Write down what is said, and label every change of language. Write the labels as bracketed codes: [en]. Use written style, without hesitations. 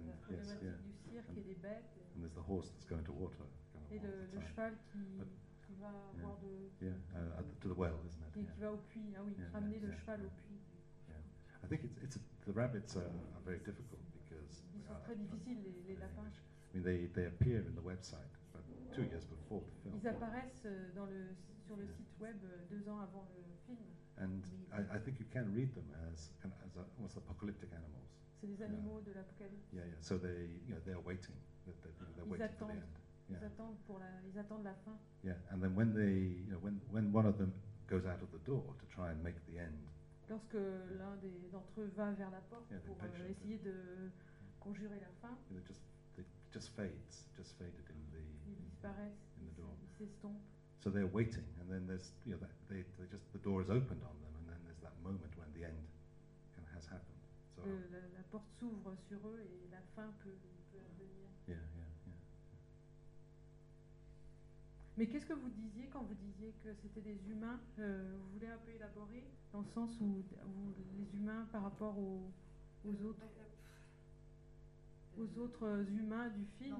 [en] And there's the horse that's going to water. [fr] Le cheval qui va avoir de [en] to the well, isn't it? [fr] Qui va au puits, ramener le cheval au puits. [en] I think the rabbits are very difficult because [fr] ils sont très difficiles les lapins. [en] I mean they appear in the website, but 2 years before the film. [fr] Ils apparaissent sur le site web 2 ans avant le film. [en] And I think you can read them as almost apocalyptic animals. [fr] C'est des animaux de l'apocalypse. [en] So they, they're waiting. [fr] Ils attendent la fin. [en] Yeah, and then when they, when one of them goes out of the door to try and make the end. [fr] Lorsque l'un d'entre eux va vers la porte pour essayer de conjurer la fin. [en] It just fades in the. [fr] Ils disparaissent. [en] In the door. [fr] Ils s'estompent. [en] So they're waiting, and then there's, they just the door is opened on them, and then there's that moment when the end kind of has happened. So [fr] la porte s'ouvre sur eux et la fin peut venir. [en] Yeah. [fr] Mais qu'est-ce que vous disiez quand vous disiez que c'était des humains, vous voulez un peu élaborer dans le sens où les humains par rapport aux autres aux autres humains du film?